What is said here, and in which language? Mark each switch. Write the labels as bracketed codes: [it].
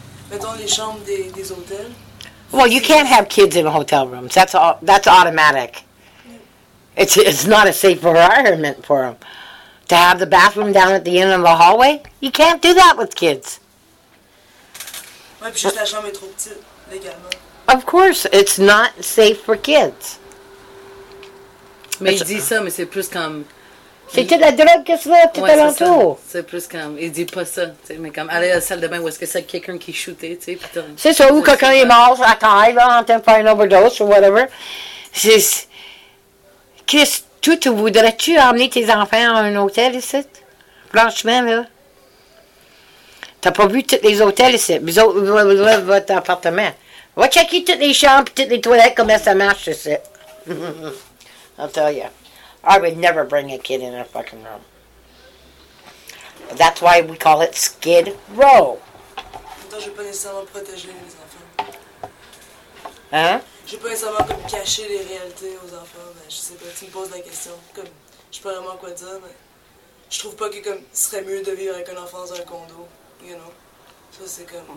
[fr] Mettons les chambres des hôtels. [en] Well, you can't have kids in hotel rooms. That's automatic. It's not a safe environment for them. To have the bathroom down at the end of the hallway? You can't do that with kids. [fr] Ouais, puis juste la chambre est trop petite, légalement. [en] Of course, it's not safe for kids. [fr] Mais il dit ça, mais c'est plus comme... C'est de la drogue, qu'est-ce que tu t'es dans tout? C'est plus comme... Il dit pas ça, tu sais, mais comme... Aller à la salle de bain, où est-ce que c'est quelqu'un qui shootait, tu sais, putain. C'est ça, ou quelqu'un est mort, ça t'arrive, en train de faire une overdose, ou whatever. C'est... Qu'est-ce que tu voudrais-tu amener tes enfants à un hôtel ici? Franchement, là. T'as pas vu tous les hôtels ici? Vous autres, votre appartement. Va checker toutes les chambres et toutes les toilettes, comment ça marche, c'est ça. [en] I'll tell you. I would never bring a kid in a fucking room. But that's why we call it Skid Row. [fr] Pourtant, je vais pas nécessairement protéger les enfants. Hein? Je vais pas nécessairement comme cacher les réalités aux enfants, mais je sais pas, tu me poses la question. Comme, je sais pas vraiment quoi dire, mais je trouve pas que comme, ce serait mieux de vivre avec un enfant dans un condo, you know? Ça, c'est comme...